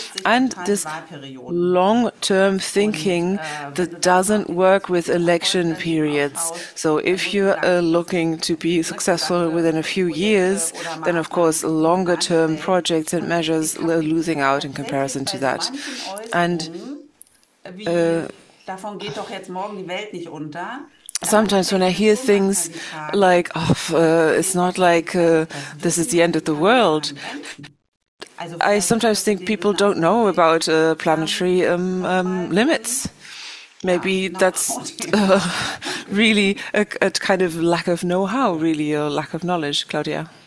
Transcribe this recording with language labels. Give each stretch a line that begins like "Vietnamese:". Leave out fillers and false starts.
English: And this long-term thinking that doesn't work with election periods. So if you're looking to be successful within a few years, then of course longer-term projects and measures are losing out in comparison to that. And
German: davon geht doch jetzt morgen die Welt nicht unter.
English: Sometimes when I hear things like, oh, it's not like this is the end of the world, I sometimes think people don't know about planetary limits. Maybe that's really a kind of lack of know-how, really a lack of knowledge, Claudia.